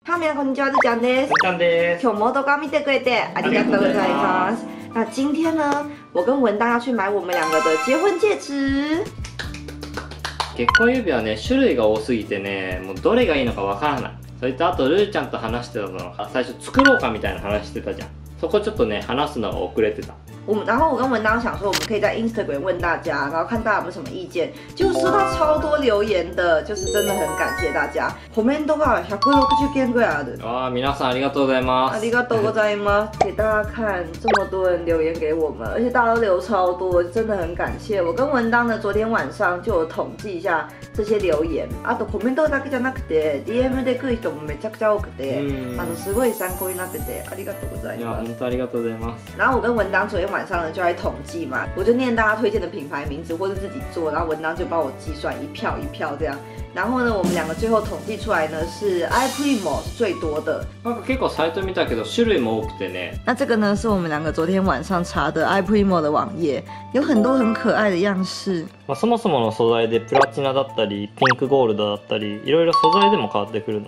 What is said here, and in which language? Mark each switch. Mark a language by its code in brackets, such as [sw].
[ja] はい、みなこんにちは、ずちゃんです。ずちゃんです。今日も動画見てくれてありがとうございます。 [zh] 那今天呢，我跟文大要去买我们两个的结婚戒指。 [ja] 結婚指輪ね、種類が多すぎてね、もうどれがいいのかわからない。それとあとルーちゃんと話してたの、最初作ろうかみたいな話してたじゃん。そこちょっとね、話すのが遅れてた。 [zh] 然后我跟文大想说，我们可以在 Instagram 问大家，然后看大家有没有什么意见。就收到超多留言的，就是真的很感谢大家。 [ja] コメントが160件ぐらいある。啊，皆さんありがとうございます。ありがとうございます。 [zh] 给大家看这么多人留言给我们，而且大家都留超多，真的很感谢。我跟文大呢，昨天晚上就有统计一下这些留言。 [ja] あとコメントだけじゃなくて、DM で来る人もめちゃくちゃ多くて、すごい参考になってて、ありがとうございます。いや、本当ありがとうございます。 [zh] 然后我跟文大昨天晚上呢就来统计嘛，我就念大家推荐的品牌名字或者自己做，然后文章就帮我计算一票一票这样。然后呢，我们两个最后统计出来呢是 iPrimo 是最多的。 [ja] なんか結構サイト見たけど種類も多くてね。 [zh] 那这个呢是我们两个昨天晚上查的 iPrimo 的网页，有很多很可爱的样式。 [ja] まあそもそもの素材でプラチナだったりピンクゴールドだったり、いろいろ素材でも変わってくるの。